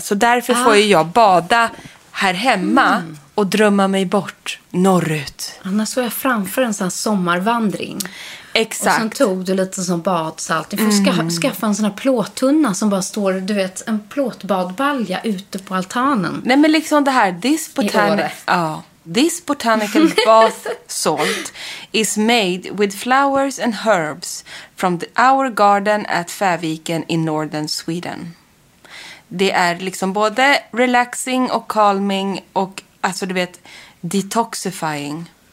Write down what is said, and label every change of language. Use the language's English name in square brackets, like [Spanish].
[Swedish] Så därför får ju jag bada här hemma och drömma mig bort norrut. Annars såg jag framför en sån här sommarvandring. Exakt. Och sen tog du lite som badsalt. Du får skaffa en sån här plåttunna som bara står, du vet, en plåtbadbalja ute på altanen. Nej, men liksom det här, [English] this botanic, this botanical bath salt is made with flowers and herbs from our garden at Färviken in northern Sweden. [Swedish] Det är liksom både relaxing och calming och, alltså du vet, detoxifying.